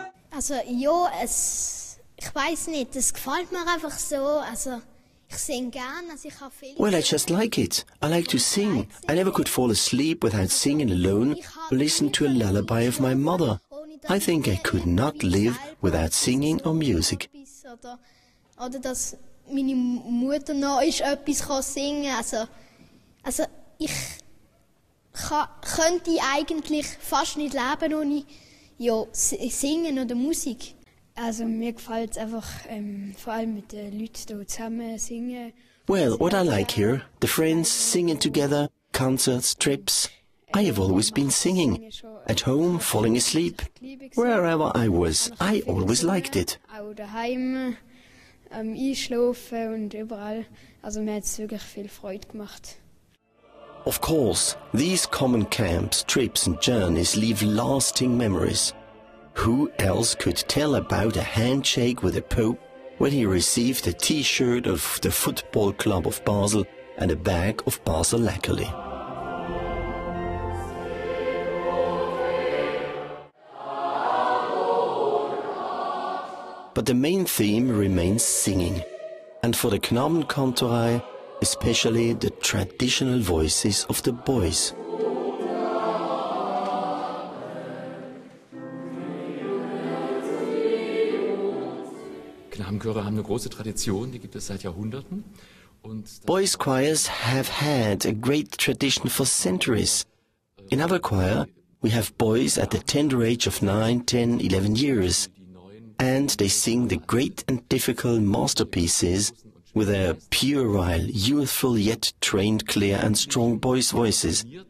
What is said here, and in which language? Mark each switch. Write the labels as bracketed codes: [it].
[de] Also, ja, es, ich weiß nicht, es gefällt mir einfach so. Also, ich sing gern, also ich habe viel. [en] Well, I just like it. I like to sing. I never could fall asleep without singing alone or listen to a lullaby of my mother. I think I could not live without singing or music. [de] Oder dass meine Mutter noch etwas singen kann. Also ich könnte eigentlich fast nicht leben ohne ja, Singen oder Musik. Also mir gefällt es einfach, vor allem mit den Leuten hier zusammen singen. [en] Well, what I like here, the friends singing together, concerts, trips. I have always been singing, at home, falling asleep, wherever I was, I always liked it. [de] Auch daheim, einschlafen und überall, also mir hat es wirklich viel Freude gemacht. [en] Of course, these common camps, trips and journeys leave lasting memories. Who else could tell about a handshake with the Pope when he received a t-shirt of the football club of Basel and a bag of Basel Lackerli? But the main theme remains singing, and for the Knabenkantorei, especially the traditional voices of the boys. [de] Knabenchöre haben eine große Tradition, die gibt es seit Jahrhunderten. [en] Boys choirs have had a great tradition for centuries. In our choir, we have boys at the tender age of 9, 10, 11 years. And they sing the great and difficult masterpieces with their puerile, youthful yet trained, clear and strong boys' voices.